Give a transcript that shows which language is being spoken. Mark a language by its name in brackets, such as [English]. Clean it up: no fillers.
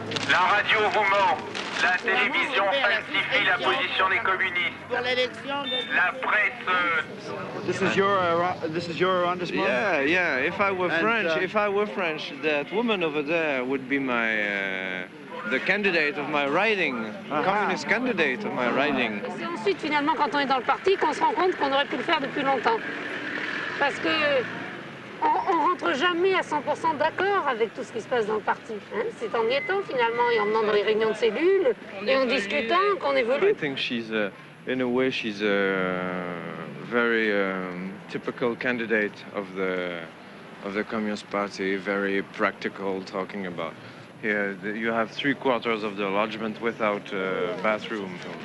[French] La radio vous ment. La télévision falsifie la position des communistes. La presse. [English] This is your understanding. Yeah. If I were French, that woman over there would be my the candidate of my riding, communist candidate of my riding. [French] C'est ensuite finalement quand on est dans le parti qu'on se rend compte qu'on aurait pu le faire depuis longtemps. Parce que on rentre jamais à 100% d'accord avec tout ce qui se passe dans le parti. Hein? C'est en y étant finalement et en venant dans les réunions de cellules et en discutant qu'on évolue. [English] I think she's, in a way, she's a very typical candidate of the Communist Party. Very practical, talking about here. You have three quarters of the lodgement without bathroom.